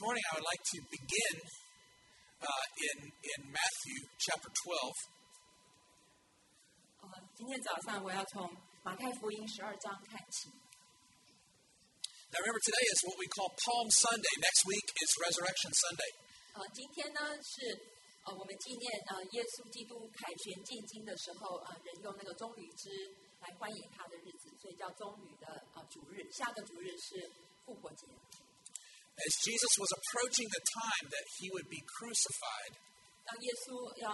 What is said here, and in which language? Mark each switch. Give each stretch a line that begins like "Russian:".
English: morning, I would like to begin in Matthew chapter 12.
Chinese: 今天早上我要从 马太福音十二章看起。
English: Now remember, today is what we call Palm Sunday. Next week is Resurrection Sunday.
Chinese: 今天呢是我们纪念耶稣基督凯旋进京的时候，人用那个棕榈枝来欢迎他的日子，所以叫棕榈的主日。下个主日是复活节。As
English: Jesus was approaching the time that he would be crucified,